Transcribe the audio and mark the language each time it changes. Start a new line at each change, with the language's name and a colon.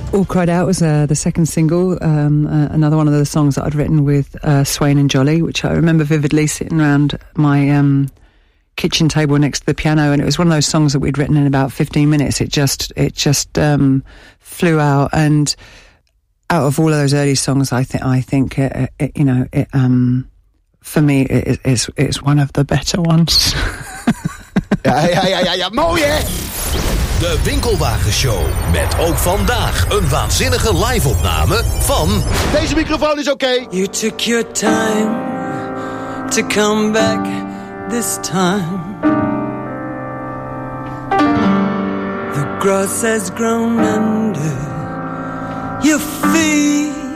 English: Cried Out was the second single, another one of the songs that I'd written with Swain and Jolly, which I remember vividly sitting around my kitchen table next to the piano, and it was one of those songs that we'd written in about 15 minutes. It just flew out, and out of all of those early songs, I think it's one of the better ones.
Dutch: Ja, mooi hè? De Winkelwagen Show. Met ook vandaag een waanzinnige live-opname van... Deze microfoon is oké.
English: You took your time to come back this time. The grass has grown under your feet.